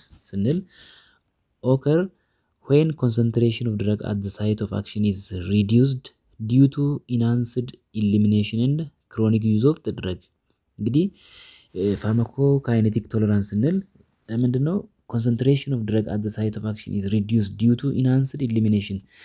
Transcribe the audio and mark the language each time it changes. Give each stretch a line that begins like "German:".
English: ስንል occur when concentration of drug at the site of action is reduced due to enhanced elimination and chronic use of the drug.
Amharic: እንግዲህ pharmacokinetic tolerance ስንል ምንድነው?
English: concentration of drug at the site of action is reduced due to enhanced elimination.